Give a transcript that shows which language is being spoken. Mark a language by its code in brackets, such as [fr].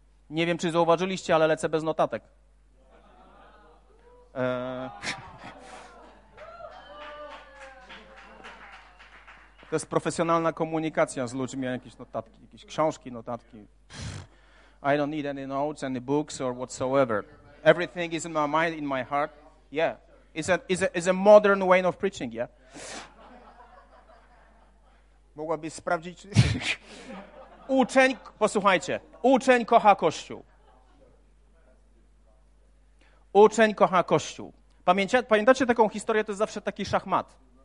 [pl] Nie wiem, czy zauważyliście, ale lecę bez notatek. To jest profesjonalna komunikacja z ludźmi, jakieś notatki, jakieś książki, notatki. [en] I don't need any notes, any books or whatsoever. Everything is in my mind, in my heart. Yeah, it's a modern way of preaching, yeah? [pl] Mogłabyś sprawdzić? Uczeń, posłuchajcie, uczeń kocha Kościół. Uczeń kocha Kościół. Pamiętacie taką historię, to jest zawsze taki szachmat.